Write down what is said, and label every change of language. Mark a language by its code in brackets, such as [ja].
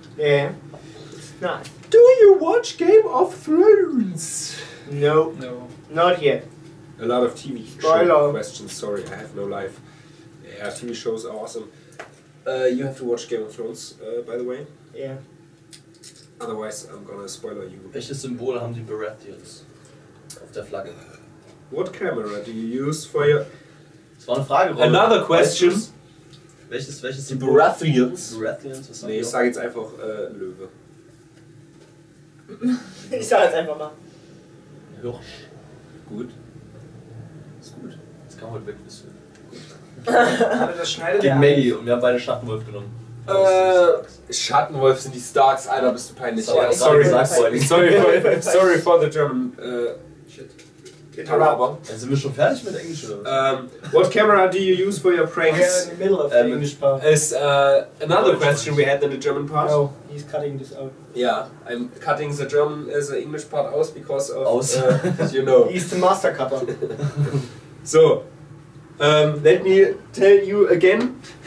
[en] Yeah. Nice. Do you watch Game of Thrones? No. No. Not yet. A lot of TV show questions. Sorry, I have no life. Yeah, TV shows are awesome. You have to watch Game of Thrones, by the way. Yeah. Otherwise, I'm gonna spoiler you. [de] Welches Symbol haben die Baratheons auf der Flagge? [en] What camera do you use for your... [de] Das war eine Frage, Robert. [en] Another question. [de] Welches Symbol? Baratheons. Baratheons, was nee, ich sag jetzt einfach Löwe. Ich sag jetzt einfach mal. Hirsch. Gut. Ist gut. Jetzt kann man heute wirklich wissen. Aber das schneidet gegen Maggie und wir haben beide Schattenwolf genommen. Schattenwolf sind die Starks, Alter, bist du peinlich. [en] Ja, sorry for the German. Shit. [de] Aber dann sind wir schon fertig mit Englisch oder was? [en] What camera do you use for your pranks? In the middle of the English part. Is another question we had in the German part. No, he's cutting this out. Yeah, I'm cutting the German as the English part [de] aus [en] because of. [de] Aus. [en] You know. He's the master cutter. So. Let me tell you again.